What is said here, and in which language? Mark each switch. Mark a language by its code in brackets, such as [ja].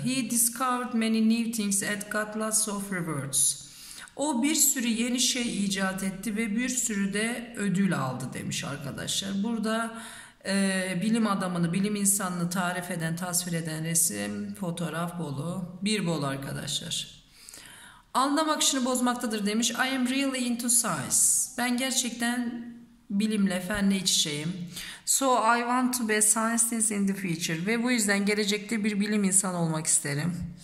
[en] He discovered many new things and got lots of rewards. [tr] O bir sürü yeni şey icat etti ve bir sürü de ödül aldı demiş arkadaşlar. Burada bilim adamını, bilim insanını tarif eden, tasvir eden resim, fotoğraf bolu, bir bol arkadaşlar. Anlam akışını bozmaktadır demiş. [en] I am really into science. [tr] Ben gerçekten bilimle, fenle iç içeyim. [en] So I want to be a scientist in the future. [tr] Ve bu yüzden gelecekte bir bilim insanı olmak isterim.